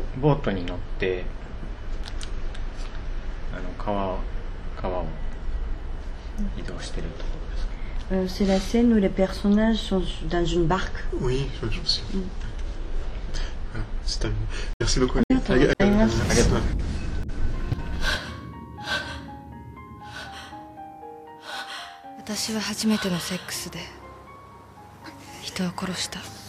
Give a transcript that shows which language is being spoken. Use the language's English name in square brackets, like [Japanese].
[Japanese] ボートに乗って、あの川を移動してるところですか。 [French] C'est la scène où les personnages sont dans une barque. Oui, je me souviens. C'est terminé. Merci beaucoup. [Japanese] ありがとうございます。ありがとう。私は初めてのセックスで人を殺した。